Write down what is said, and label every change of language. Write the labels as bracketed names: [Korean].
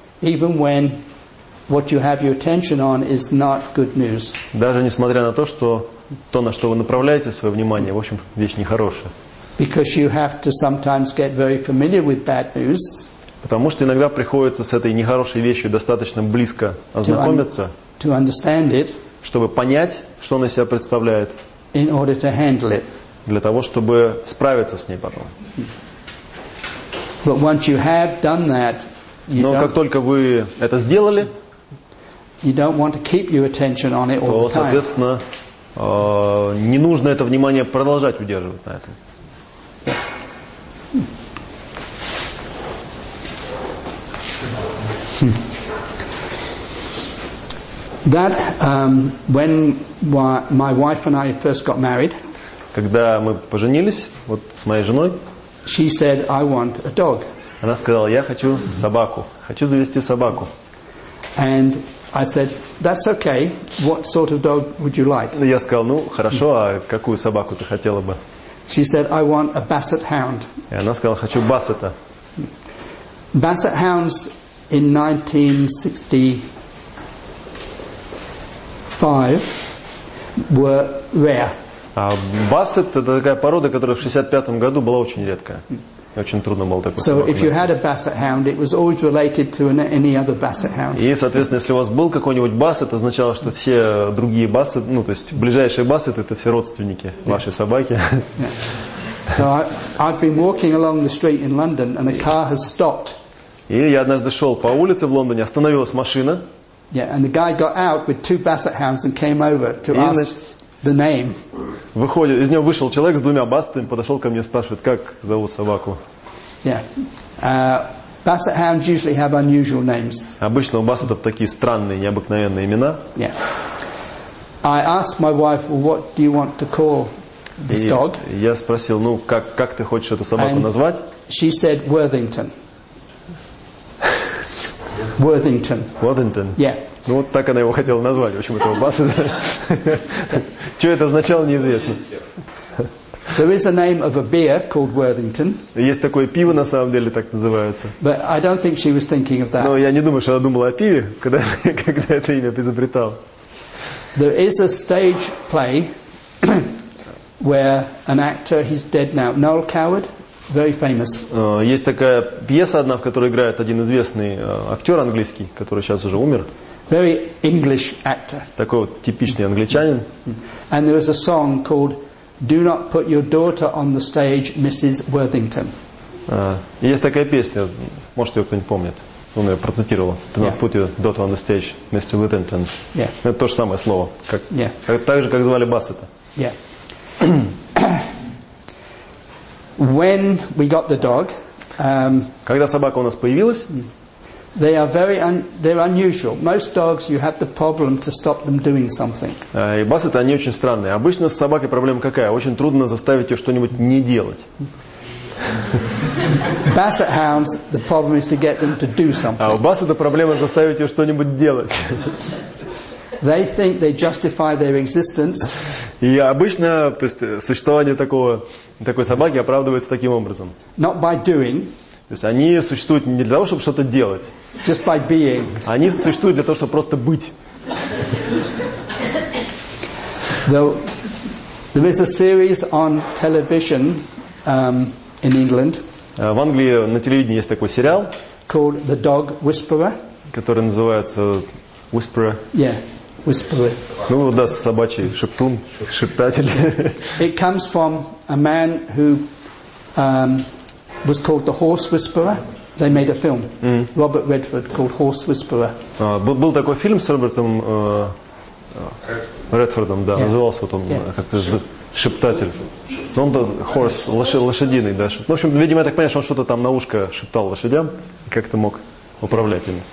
[English] even when what you have your attention on is not good news. [Russian] Даже несмотря на то, что то, на что вы направляете свое внимание, в общем, вещь нехорошая. [English] Because you have to sometimes get very familiar with bad news. [Russian] Потому что иногда приходится с этой нехорошей вещью достаточно близко ознакомиться, [English] to understand it, [Russian] чтобы понять, что она из себя представляет, [English] in order to handle it, [Russian] для того, чтобы справиться с ней потом. [English] But once you have done that, you [Russian] но как только вы это сделали, [English] you don't want to keep your attention on it all the time. [Russian] То, соответственно, не нужно это внимание продолжать удерживать на этом. [English] That when my wife and I first got married, [Russian] когда мы поженились, вот с моей женой, [English] she said, "I want a dog." [Russian] Она сказала, я хочу собаку, хочу завести собаку. [English] And I said, "That's okay. What sort of dog would you like?" [Russian] Я сказал, ну хорошо, а какую собаку ты хотела бы? [English] She said, "I want a basset hound." [Russian] И она сказала, хочу бассета. [English] Basset hounds in 1965 were rare. [Russian] А бассет это такая порода, которая в 65-м году была очень редкая. Очень трудно было такой собаку. [English] So if you had a basset hound, it was always related to any other basset hound. [Russian] И, соответственно, если у вас был какой-нибудь бассет, это означало, что все другие бассет, ну, то есть ближайшие бассет это все родственники вашей собаки. [English] So I've been walking along the street in London and a car has stopped. [Russian] И я однажды шел по улице в Лондоне, остановилась машина. [English] Yeah, and the guy got out with two basset hounds and came over to ask the name. [Russian] Выходит, из него вышел человек с двумя бассетами, подошел ко мне, спрашивает, как зовут собаку. [English] Yeah. Basset hounds usually have unusual names. [Russian] Обычно у бассетов такие странные, необыкновенные имена. [English] Yeah. I asked my wife, well, what do you want to call this dog? [Russian] Я спросил, ну, как ты хочешь эту собаку [English] and [Russian] назвать? [English] She said Worthington. Worthington. Worthington. Yeah. [Russian] Ну, вот так она его хотела назвать, в общем, этого бассета. Что это означало, неизвестно. [English] There is a name of a beer called Worthington. [Russian] Есть такое пиво, на самом деле, так называется. [English] But I don't think she was thinking of that. [Russian] Но я не думаю, что она думала о пиве, когда это имя изобретала. [English] There is a stage play where an actor, he's dead now, Noel Coward, very famous. [Russian] Есть такая пьеса одна, в которой играет один известный актер английский, который сейчас уже умер. [English] Very English actor. [Russian] Такой вот типичный англичанин. [English] And there was a song called "Do Not Put Your Daughter on the Stage, Mrs. Worthington." [Russian] Есть такая песня, может ее кто-нибудь помнит. Он ее процитировал. [English] Do not put your daughter on the stage, Mrs. Worthington. Yeah. [Russian] Это то же самое слово, как, как так же, как звали Бассета. [English] Yeah. When we got the dog. [Russian] Когда собака у нас появилась. [English] They are very they're unusual. Most dogs, you have the problem to stop them doing something. [Russian] И бассеты, они очень странные. Обычно с собакой проблема какая? Очень трудно заставить ее что-нибудь не делать. [English] Basset hounds, the problem is to get them to do something. [Russian] А у бассета проблема заставить ее что-нибудь делать. [English] They think they justify their existence. [Russian] И обычно, то есть, существование такой собаки оправдывается таким образом. [English] Not by doing. [Russian] То есть они существуют не для того, чтобы что-то делать. [English] Just by being. [Russian] Они существуют для того, чтобы просто быть. [English] There is a series on television in England. [Russian] В Англии на телевидении есть такой сериал, [English] called The Dog Whisperer, [Russian] который называется Whisperer. [English] Yeah, Whisperer. [Russian] Ну да, собачий шептун, шептатель. [English] It comes from a man who was called the Horse Whisperer. They made a film. Mm-hmm. Robert Redford called Horse Whisperer. [Russian] Был такой фильм с Робертом Редфордом, да, yeah. Назывался вот он как-то шептатель. Он да, horse, лошадиный, да. Ну, в общем, видимо, я так понимаю, что он что-то там на ушко шептал лошадям и как-то мог управлять ими.